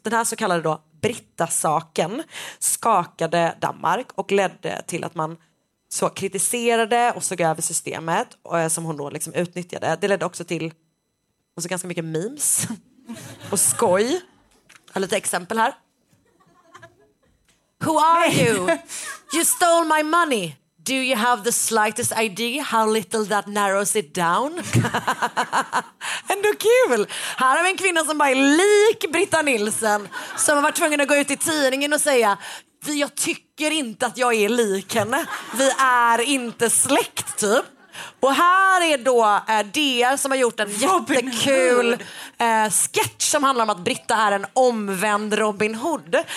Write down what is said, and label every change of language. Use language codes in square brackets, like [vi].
[sv] Den här så kallade då Britta-saken skakade Danmark och ledde till att man så kritiserade och såg över systemet som hon då liksom utnyttjade. Det ledde också till också ganska mycket memes och skoj. Jag har lite exempel här. [en] Who are you? You stole my money. Do you have the slightest idea how little that narrows it down? [sv] Ändå kul. Här har vi en kvinna som bara är lik Britta Nilsson, som har varit tvungen att gå ut i tidningen och säga, jag tycker inte att jag är lik henne. Vi är inte släkt, typ. Och här är då DR som har gjort en Robin jättekul sketch som handlar om att Britta är en omvänd Robin Hood.